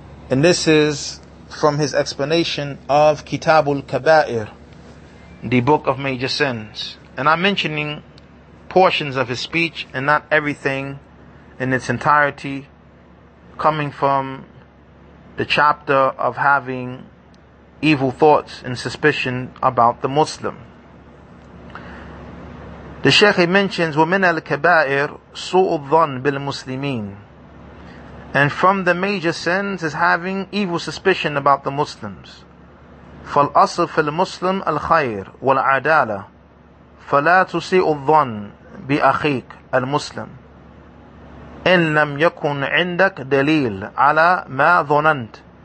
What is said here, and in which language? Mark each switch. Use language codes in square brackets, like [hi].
[en] And this is from his explanation of Kitabul Kaba'ir, the Book of Major Sins. And I'm mentioning portions of his speech and not everything in its entirety, coming from the chapter of having evil thoughts and suspicion about the Muslim. The Sheikh mentions, [ar] وَمِنَ الْكَبَائِرِ سُوءُ الظَّنِّ بِالْمُسْلِمِينَ. [en] And from the major sins is having evil suspicion about the Muslims. [ar] فَالْأَصْلُ فِي الْمُسْلِمِ الْخَيْرُ وَالْعَدَالَةُ فَلَا تُسِيءُ الظَّنِّ بِأَخِيكَ الْمُسْلِمِ إِنْ لَمْ يَكُنْ عِنْدَكَ دَلِيلٌ عَلَى مَا ظَنَنْتَ